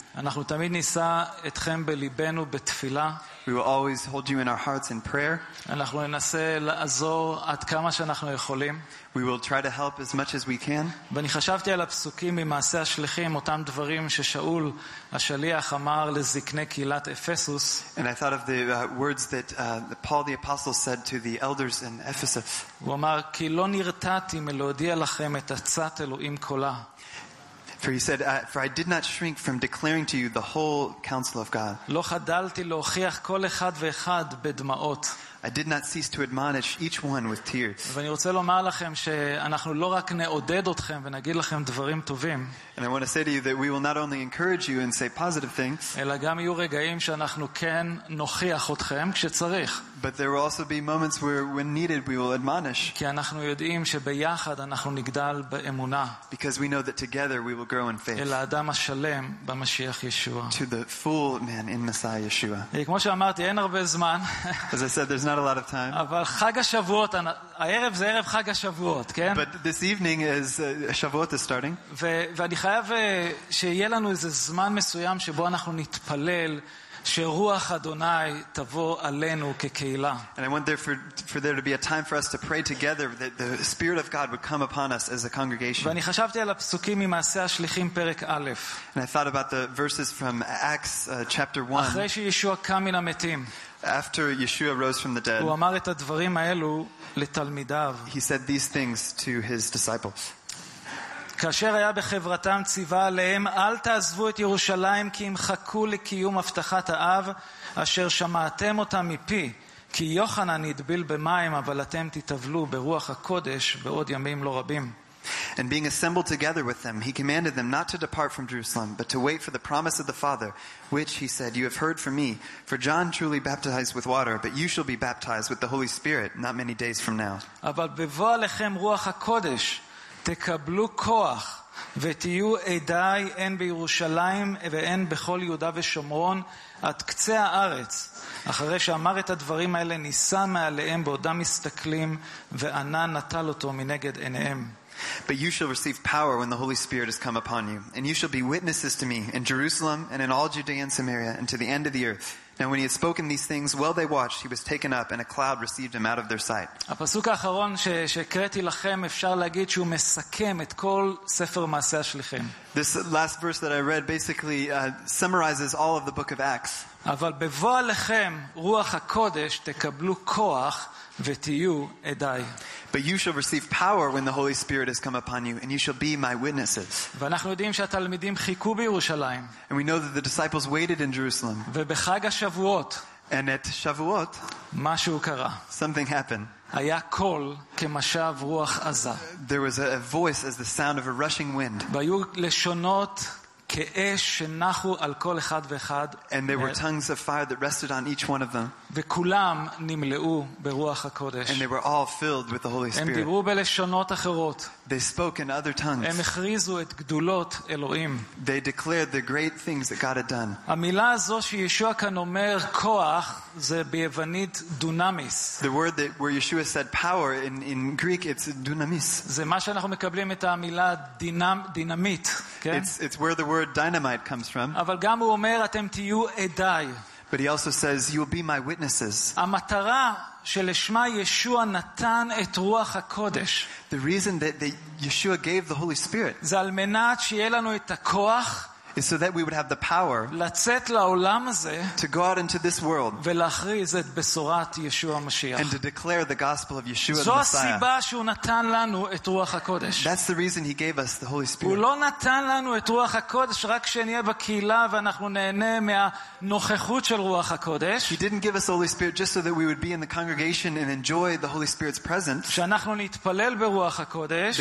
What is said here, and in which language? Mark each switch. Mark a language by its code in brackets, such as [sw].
[he] אנחנו תמיד נישא אתכם בליבנו בתפילה. [en] We will always hold you in our hearts in prayer. [he] אנחנו ננסה לעזור עד כמה שאנחנו יכולים. [en] We will try to help as much as we can. [he] ואני חשבתי על הפסוקים ממעשה השליחים, אותם דברים ששאול השליח אמר לזקני קהילת אפסוס. [en] And I thought of the words that Paul the apostle said to the elders in Ephesus. [he] הוא אמר, כי לא נרתעתי מלהודיע לכם את עצת אלוהים כולה. [en] For he said, for I did not shrink from declaring to you the whole counsel of God. [he] לא חדלתי להוכיח כל אחד ואחד בדמעות. [en] I did not cease to admonish each one with tears. [he] ואני רוצה לומר לכם שאנחנו לא רק נעודד אתכם ונגיד לכם דברים טובים. [en] And I want to say to you that we will not only encourage you and say positive things. [he] אלא גם יהיו רגעים שאנחנו כן נוכיח אתכם כשצריך. [en] But there will also be moments where when needed we will admonish. [he] כי אנחנו יודעים שביחד אנחנו נגדל באמונה. [en] Because we know that together we will grow in faith. [he] אל האדם השלם במשיח ישוע. [en] To the full man in Messiah Yeshua. [he] כמו שאמרתי, אין הרבה זמן. [en] As I said, there's not a lot of time. [he] אבל חג השבועות, הערב זה ערב חג השבועות, כן? [en] But this evening is שבועות is starting. [he] ואני חייב שיהיה לנו איזה זמן מסוים שבו אנחנו נתפלל שרוח אדוני תבוא עלינו כקהילה. [en] And I want there for there to be a time for us to pray together that the spirit of God would come upon us as a congregation. [he] ואני חשבתי על הפסוקים ממעשה השליחים פרק א'. [en] And I thought about the verses from Acts chapter 1. [he] אחרי שישוע קם מן המתים. [en] After Yeshua rose from the dead. [he] הוא אמר את הדברים האלו לתלמידיו. [en] He said these things to his disciples. [he] כאשר היה בחברתם ציווה עליהם, אל תעזבו את ירושלים כי ימחקו לקיום הבטחת האב אשר שמעתם אותה מפי, כי יוחנן נטבל במים אבל אתם תטבלו ברוח הקודש בעוד ימים לא רבים. [en] And being assembled together with them, he commanded them not to depart from Jerusalem, but to wait for the promise of the Father, which, he said, you have heard from me. For John truly baptized with water, but you shall be baptized with the Holy Spirit not many days from now. [he] אבל בבוא עליכם רוח הקודש, תקבלו כוח, ותהיו עדי הן בירושלים והן בכל יהודה ושומרון, עד קצה הארץ. אחרי שאמר את הדברים האלה, נישא מעליהם בעודם מסתכלים, וענן נטל אותו מנגד עיניהם. [en] But you shall receive power when the Holy Spirit has come upon you, and you shall be witnesses to me in Jerusalem and in all Judea and Samaria and to the end of the earth. Now when he had spoken these things, while they watched, he was taken up, and a cloud received him out of their sight. [he] הפסוק האחרון שקראתי לכם אפשר להגיד שהוא מסכם את כל ספר מעשה השליחים. [en] This last verse that I read basically summarizes all of the book of Acts. [he] אבל בבוא לכם רוח הקודש תקבלו כוח ותהיו עדיי. [en] But you shall receive power when the Holy Spirit has come upon you, and you shall be my witnesses. [he] ואנחנו יודעים שהתלמידים חיכו בירושלים. [en] And we know that the disciples waited in Jerusalem. [he] ובחג השבועות. [en] And at Shavuot. [he] משהו קרה. [en] Something happened. [he] היה קול כמשב רוח עזה. [en] There was a voice as the sound of a rushing wind. [he] והיו לשונות כאש שנחו על כל אחד ואחד. [en] And there were tongues of fire that rested on each one of them. [he] וכולם נמלאו ברוח הקודש. [en] And they were all filled with the Holy Spirit. [he] הם דיברו בלשונות אחרות. [en] They spoke in other tongues. [he] הם הכריזו את גדולות אלוהים. [en] They declared the great things that God had done. [he] המילה הזו שישוע כאן אומר כוח זה ביוונית דונמיס. [en] The word that where Yeshua said power in Greek it's dunamis. [he] זה מה שאנחנו מקבלים את המילה דינמיט, כן? [en] It's where the word dynamite comes from. [he] אבל גם הוא אומר אתם תהיו עדיי. [en] But he also says you'll be my witnesses. [he] המטרה שלשמה ישוע נתן את רוח הקודש. [en] The reason that Yeshua gave the Holy Spirit. [he] זה על מנת שיהיה לנו את הכוח. [en] Is so that we would have the power [he] לצאת לעולם הזה, [en] to go out into this world [he] ולהכריז את בשורת ישוע המשיח, [en] and to declare the gospel of Yeshua the Messiah. [he] זו הסיבה שהוא נתן לנו את רוח הקודש. [en] That's the reason he gave us the Holy Spirit. [he] הוא לא נתן לנו את רוח הקודש רק שנהיה בקהילה ואנחנו נהנה מהנוכחות של רוח הקודש. [en] He didn't give us the Holy Spirit just so that we would be in the congregation and enjoy the Holy Spirit's presence. [he] שאנחנו נתפלל ברוח הקודש.